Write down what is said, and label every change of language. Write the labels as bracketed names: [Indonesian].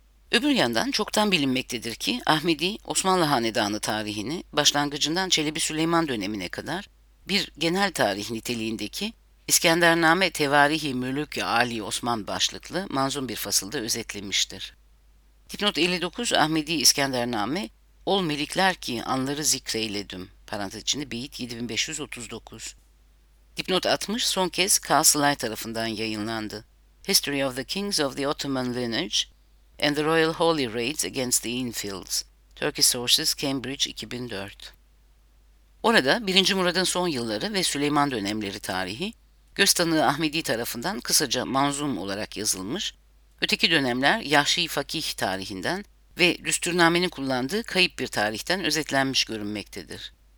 [Turkish] Öbür yandan çoktan bilinmektedir ki Ahmedi, Osmanlı Hanedanı tarihini başlangıcından Çelebi Süleyman dönemine kadar bir genel tarih niteliğindeki İskendername Tevarihi Mülükü Ali Osman başlıklı manzum bir fasılda özetlemiştir. Dipnot 59 Ahmedi İskendername Ol melikler ki anları zikreyledim. Parantez içinde Beyit 7539. Dipnot 60 son kez Carl Slay tarafından yayınlandı. [English] History of the Kings of the Ottoman Lineage and the Royal Holy Raids Against the Infields. Turkey Sources Cambridge 2004. [Turkish] Orada 1. Murad'ın son yılları ve Süleyman dönemleri tarihi, Göztanığı Ahmedi tarafından kısaca manzum olarak yazılmış, öteki dönemler Yahşi Fakih tarihinden ve Düsturname'nin kullandığı kayıp bir tarihten özetlenmiş görünmektedir.